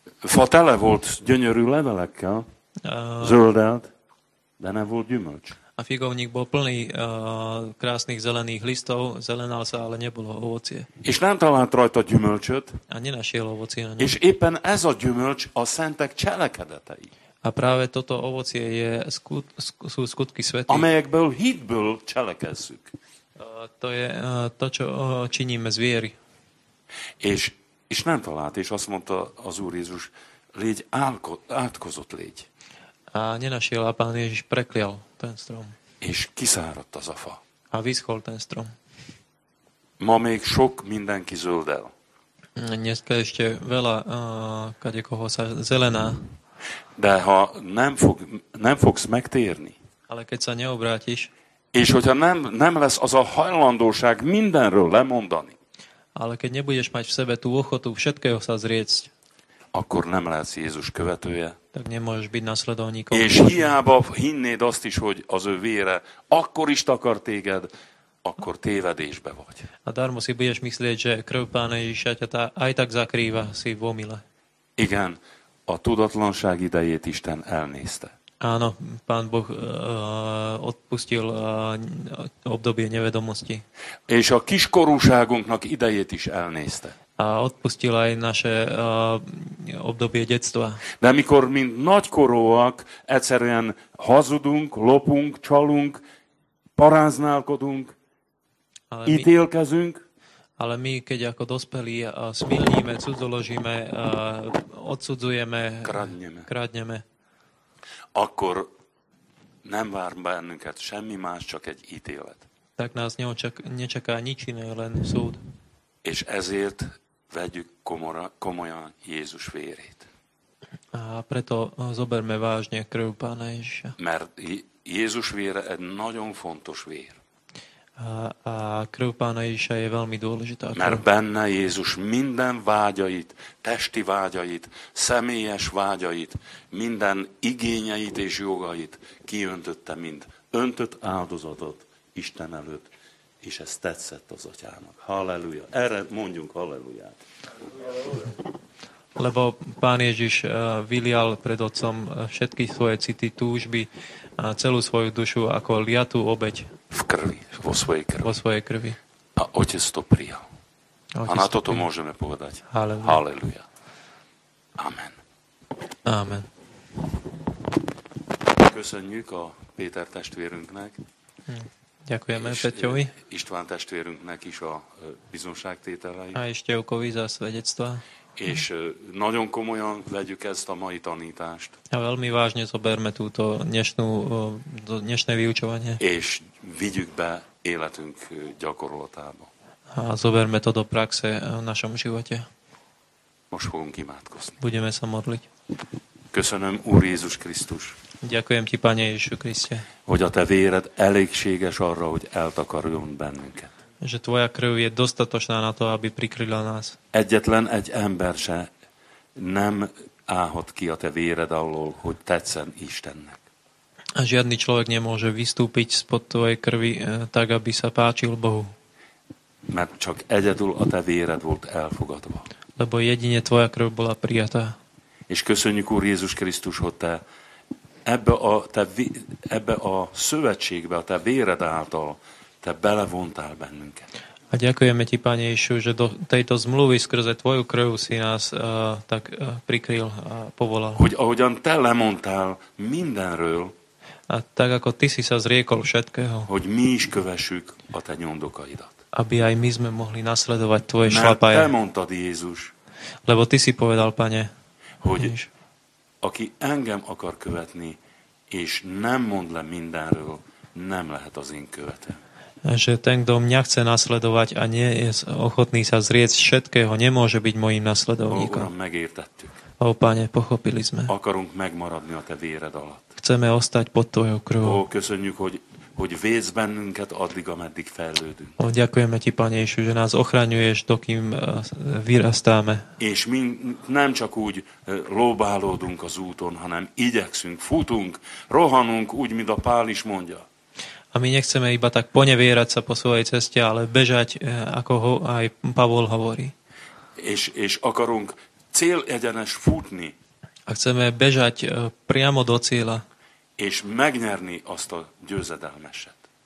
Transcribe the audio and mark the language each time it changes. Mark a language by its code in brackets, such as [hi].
[hu] Fa tele volt gyönyörű levelekkel, zöldelt, de nem volt gyümölcs. [sk] A figovník bol plný krásnych zelených listov, zelenal sa, ale nebolo ovocie. [hu] És nem talált rajta gyümölcsöt. [sk] A nenašiel ovocie na ňom. [hu] És éppen ez a gyümölcs a szentek cselekedetei. [sk] A práve toto ovocie je sú skutky svätí. [hu] Amelyekből hitből cselekedszük. [sk] To je to, čo činíme z viery. [hu] És nem talált, és azt mondta az Úr Jézus, légy átkozott légy. [sk] A nenašiel, a pán Ježiš preklial ten strom. [hu] És kiszáradt az a fa. [sk] A vyschol ten strom. [hu] Ma még sok mindenki zöldel. [sk] Dneska ešte veľa kadekoho sa zelená. [hu] De ha nem fogsz megtérni. [sk] Ale keď sa neobrátiš. [hu] És hogyha nem lesz az a hajlandóság mindenről lemondani. [sk] Ale keď nebudeš mať v sebe tú ochotu všetkého sa zriecť. [hu] Akkor nem lesz Jézus követője. [sk] Tak nemôžeš byť nasledovníkom. [hu] És hiába hinnéd azt is, hogy az ő vére akkor is takar téged, akkor tévedésbe vagy. [sk] A darmo si budeš myslieť, že krv Pána Ježíša ťa aj tak zakrýva, si v omyle. [hu] Igen, a tudatlanság idejét Isten elnézte. [sk] Áno, Pán Boh odpustil obdobie nevedomosti. [hu] És a kiskorúságunknak idejét is elnézte. [sk] A odpustil aj naše obdobie detstva. [hu] De amikor mint nagykorúak egyszerűen hazudunk, lopunk, csalunk, paráználkodunk, ítélkezünk. [sk] Ale my, keď ako dospelí smilníme, cudzoložíme, odsudzujeme, kradneme. [hu] Akkor nem vár bennünket semmi más, csak egy ítélet. [sk] Tak nás nečaká nič iné, len súd. [hu] És ezért vegyük komolyan Jézus vérét. [sk] A preto zoberme vážne krv Pána Ježiša. [hu] Mert Jézus vére egy nagyon fontos vér. [sk] A krv Pána Ježiša je veľmi dôležitá. Krv. [hu] Mert benne Jézus minden vágyait, testi vágyait, személyes vágyait, minden igényeit és jogait kiöntötte, mint öntött áldozatot Isten előtt, és ez tetszett az Atyának. Halleluja. Erre mondjunk halleluját. [sk] Lebo Pán Ježiš vylial pred Otcom všetky svoje city, túžby, a celú svoju dušu ako liatú obeť. V krvi, vo svojej krvi. Vo svojej krvi. A Otec to prijal. A na toto môžeme povedať. Haleluja. Amen. Amen. [hu] Köszönjük a Péter testvérünknek. [sk] Ďakujeme Peťovi. [hu] István testvérünknek is a bizonságtételeit. [sk] A Števkovi za svedectva. [hu] És nagyon komolyan vegyük ezt a mai tanítást. [sk] A veľmi vážne zoberme túto dnešné vyučovanie. [hu] És vigyük be életünk gyakorlatába. [sk] A zoberme to do praxe v našom živote. [hu] Most fogunk imádkozni. [sk] Budeme sa modliť. [hu] Köszönöm, Úr Jézus Krisztus. [sk] Ďakujem ti, Pane Ježišu Kriste. [hu] Hogy a te véred elégséges arra, hogy eltakarjon bennünket. [sk] Že tvoja krv je dostatočná na to, aby prikryla nás. [hu] Egyetlen egy ember se nem áhod ki a te véred alól, hogy tetszen Istennek. [sk] A žiadny človek nemôže vystúpiť spod tvojej krvi tak, aby sa páčil Bohu. [hu] Mert csak egyedül a te véred volt elfogadva. [sk] Lebo jedine tvoja krv bola prijatá. [hu] És köszönjük, Úr Jézus Krisztus, hogy te ebbe a szövetségbe, a te véred által te belevontál bennünket. [sk] A ďakujeme ti, Pane Ježišu, že do tejto zmluvy skrze tvoju krv si nás tak prikryl a povolal. [hu] Hogy ahogyan te lemondtál mindenről, [sk] a tak ako ty si sa zriekol všetkého, [hu] hogy mi is kövessük a te nyomdokaidat. [sk] Aby aj my sme mohli nasledovať tvoje šlapaje. [hu] Mert te mondtad, Jézus. [sk] Lebo ty si povedal, Pane, [hu] hogy Ježiš, aki engem akar követni, és nem mond le mindenről, nem lehet az én követem. [sk] Že ten, kto mňa chce nasledovať a nie je ochotný sa zrieť všetkého, nemôže byť môjim nasledovníkom. O, Pane, pochopili sme. [hu] Akarunk megmaradni a te véred alatt. [sk] Chceme ostať pod tvojou krvou. [hu] O, köszönjük, hogy vész bennünket addig, ameddig fejlődünk. [sk] O, ďakujeme ti, Pane Ježišu, že nás ochraňuješ, dokým vyrastáme. [hu] És mi nem csak úgy lóbálódunk az úton, hanem igyekszünk, futunk, rohanunk úgy, mint a Pál is mondja. [sk] A my nechceme iba tak ponevierať sa po svojej ceste, ale bežať, ako ho aj Pavol hovorí. [hu] És akarunk cél egyenes futni. [sk] A chceme bežať priamo do cieľa. [hu] És megnyerni azt a győzedelmeset.